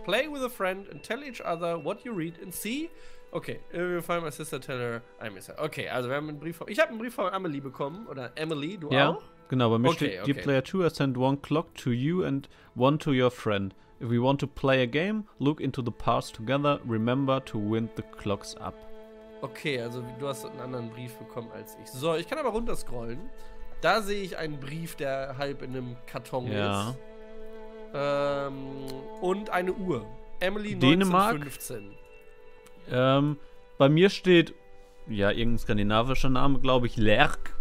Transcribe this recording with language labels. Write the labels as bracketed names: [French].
[English] Play with a friend and tell each other what you read and see. Okay, we find my sister, tell her I miss her. Okay, [German] also wir haben einen Brief von... Ich habe einen Brief von Amelie bekommen, oder Emily, du ja? auch? Genau, bei mir steht, [English] Dear Player 2 has sent one clock to you and one to your friend. If we want to play a game, look into the past together, remember to wind the clocks up. [German] Okay, also du hast einen anderen Brief bekommen als ich. So, ich kann aber runterscrollen. Da sehe ich einen Brief, der halb in einem Karton ist. Und eine Uhr. Emily 1915. Bei mir steht, ja, irgendein skandinavischer Name, glaube ich, Lerk.